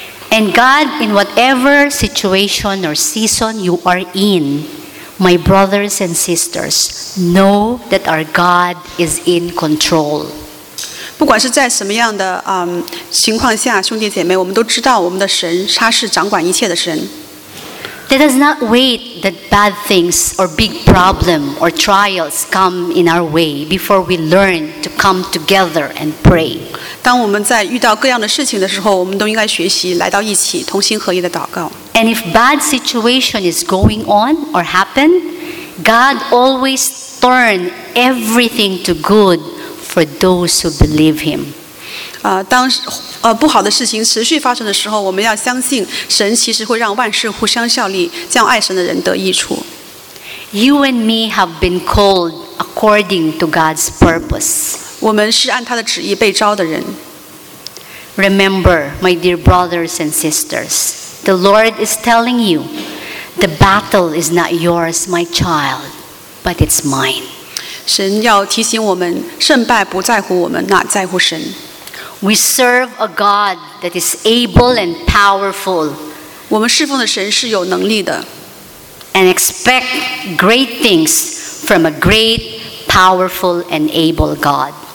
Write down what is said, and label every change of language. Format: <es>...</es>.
<en>And God, in whatever situation or season you are in, my brothers and sisters, know that our God is in control.</en> <zh>不管是在什么样的情况下，兄弟姐妹，我们都知道我们的神，他是掌管一切的神。</zh> <en>Let us not wait that bad things or big problem or trials come in our way before we learn to come together and pray.</en> <zh>当我们在遇到各样的事情的时候，我们都应该学习来到一起，同心合一的祷告。</zh> <en>And if bad situation is going on or happen, God always turns everything to good for those who believe Him.</en> <zh>不好的事情持续发生的时候，我们要相信神其实会让万事互相效力，叫爱神的人得益处。</zh> <en>You and me have been called according to God's purpose.</en> <zh>我们是按他的旨意被召的人。</zh> <en>Remember, my dear brothers and sisters, the Lord is telling you, the battle is not yours, my child, but it's mine.</en> <zh>神要提醒我们，胜败不在乎我们，那在乎神。</zh> <en>We serve a God that is able and powerful.</en> <zh>我们侍奉的神是有能力的。</zh> <en>And expect great things from a great, powerful, and able God.</en>